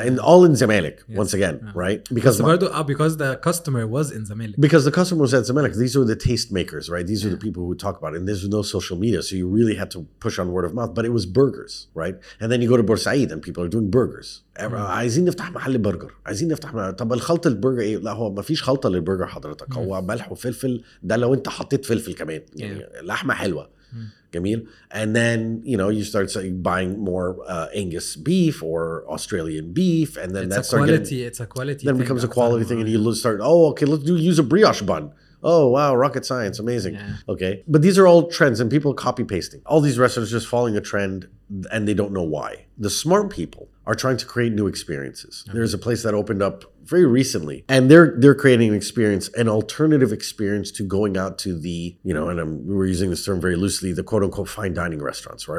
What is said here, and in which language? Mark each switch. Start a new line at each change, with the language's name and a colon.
English: All in Zamalek, yes. Once again, right? Because the customer was in Zamalek. Because the customer was at Zamalek. These are the taste makers, right? These are the people who talk about it. And there's no social media, so you really had to push on word of mouth. But it was burgers, right? And then you go to Bursaid and people are doing burgers.
Arabic: عايزين نفتح محل برجر عايزين نفتح محل. طب الخلطه البرجر ايه لا هو ما فيش خلطه للبرجر حضرتك هو ملح وفلفل ده لو انت حطيت فلفل كمان يعني لحمه حلوه جميل
English: and then you know you start say, buying more Angus beef or Australian beef and then that's quality getting, it's a quality then it becomes a quality thing and you start oh okay let's do use a brioche bun. Oh, wow, rocket science, amazing. Yeah. Okay, but these are all trends and people copy-pasting. All these restaurants are just following a trend and they don't know why. The smart people are trying to create new experiences. Okay. There's a place that opened up very recently and they're creating an experience, an alternative experience to going out to the, you know, and we're using this term very loosely, the quote-unquote fine dining restaurants, right?